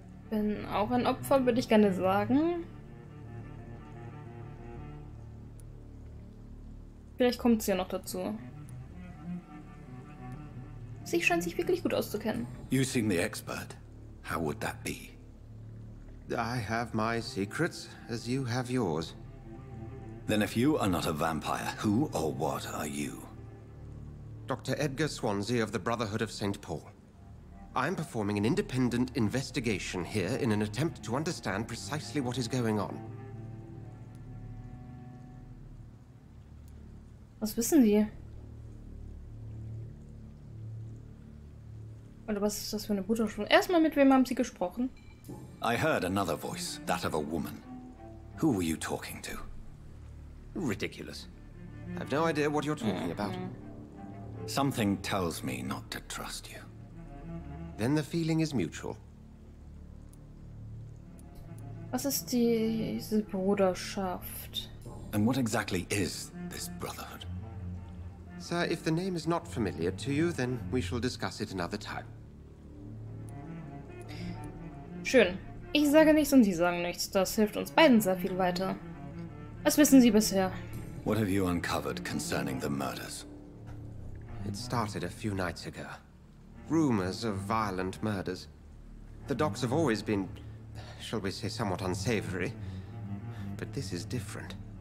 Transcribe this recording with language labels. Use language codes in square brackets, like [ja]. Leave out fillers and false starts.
[de] Bin auch ein Opfer, würde ich gerne sagen. Vielleicht kommt sie ja noch dazu. Sie scheint sich wirklich gut auszukennen. [en] You seem the expert. How would that be? I have my secrets, as you have yours. Then if you are not a vampire, who or what are you? Dr. Edgar Swansea of the Brotherhood of St. Paul. I'm performing an independent investigation here in an attempt to understand precisely what is going on. [de] Was wissen Sie? Oder was ist das für eine Butterschule? Erstmal, mit wem haben Sie gesprochen? [en] I heard another voice, that of a woman. Who were you talking to? Ridiculous. I have no idea what you're talking about. Something tells me not to trust you. Then the feeling is mutual. [de] Was ist diese Bruderschaft? [en] And what exactly is this brotherhood? Sir, if the name is not familiar to you, then we shall discuss it another time. [de] Schön. Ich sage nichts und Sie sagen nichts. Das hilft uns beiden sehr viel weiter. Was wissen Sie bisher? [en] What have you uncovered concerning the murders? It started a few nights ago. Rumors of violent murders. The docks have always been, shall we say, somewhat unsavory. But this is different.